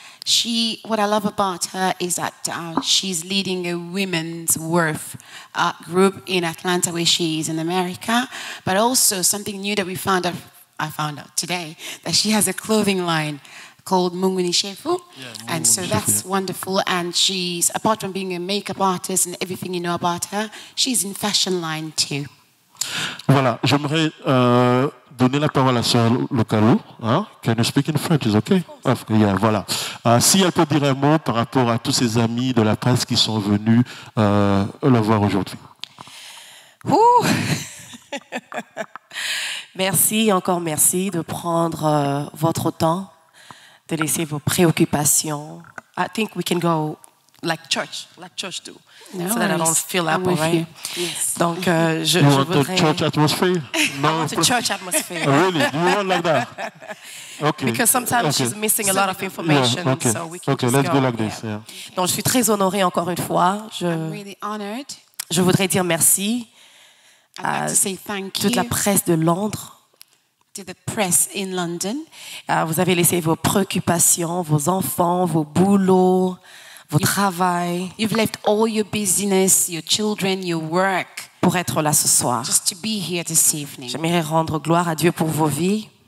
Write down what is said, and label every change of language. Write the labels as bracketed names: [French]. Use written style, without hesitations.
[English] She, what I love about her is that she's leading a women's worth group in Atlanta, where she is in America. But also something new that I found out today, that she has a clothing line called Munguni Shefu. Yeah, and so that's wonderful. And she's, apart from being a makeup artist and everything you know about her, she's in fashion line too. [French] Voilà, j'aimerais donner la parole à Sœur Lukalu. [English] Can you speak in French, is okay? Yeah, [French] voilà. Si elle peut dire un mot par rapport à tous ses amis de la presse qui sont venus la voir aujourd'hui. Ouh. Merci, encore merci de prendre votre temps, de laisser vos préoccupations. [English] I think we can go like church do. No, so that I don't feel that way. Right? Yes. [French] Donc, je [English] want [French] voudrais... [English] the church atmosphere? No. I want the church atmosphere. Oh, really? Do you want like that? Okay. Because sometimes okay. She's missing a lot of information. Yeah. Okay. So we can okay. Just let's go, go like this. Yeah. [French] Donc, je suis très honorée encore une fois. [English] I'm really honored. [French] Je voudrais dire merci à like toute la presse de Londres. [English] To the press in London. [French] Vous avez laissé vos préoccupations, vos enfants, vos boulots. Vos travail. [English] You've left all your business, your children, your work. [French] Pour être là ce soir. [English] Just to be here this evening. [French] J'aimerais rendre gloire à Dieu pour vos vies.